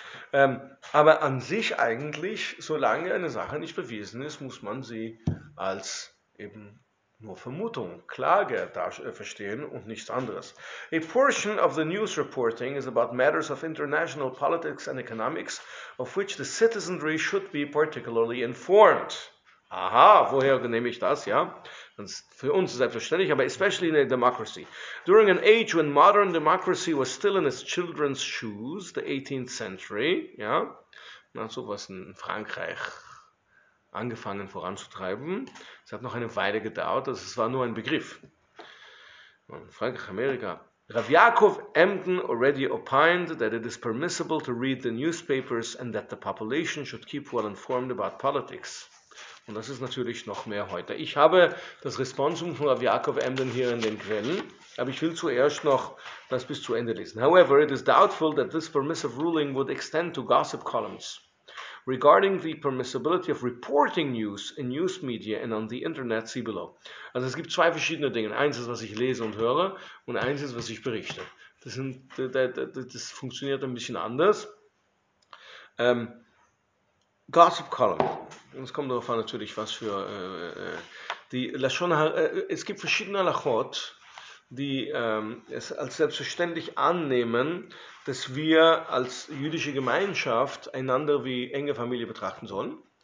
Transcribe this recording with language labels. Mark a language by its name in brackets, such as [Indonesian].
[German] Aber an sich eigentlich, solange eine Sache nicht bewiesen ist, muss man sie als eben nur Vermutung, Klage verstehen und nichts anderes. [English] A portion of the news reporting is about matters of international politics and economics, of which the citizenry should be particularly informed. [German] Aha, woher nehme ich das, ja? Das ist für uns selbstverständlich, aber [English] especially in a democracy. During an age when modern democracy was still in its children's shoes, the 18th century, [German] ja, nach sowas in Frankreich angefangen voranzutreiben. Es hat noch eine Weile gedauert, also es war nur ein Begriff. Und Frankreich, Amerika. [English] Rav Yaakov Emden already opined that it is permissible to read the newspapers and that the population should keep well informed about politics. [German] Und das ist natürlich noch mehr heute. Ich habe das Responsum von Rav Yaakov Emden hier in den Quellen, aber ich will zuerst noch das bis zu Ende lesen. [English] However, it is doubtful that this permissive ruling would extend to gossip columns. Regarding the permissibility of reporting news in news media and on the internet, see below. [German] Also es gibt 2 verschiedene Dinge. Eins ist, was ich lese und höre, und eins ist, was ich berichte. Das funktioniert ein bisschen anders. Gossip Column. Es kommt darauf an, natürlich, was für die Lashon. Es gibt verschiedene Lachot, die es als selbstverständlich annehmen, dass wir als jüdische Gemeinschaft einander wie enge Familie betrachten sollen.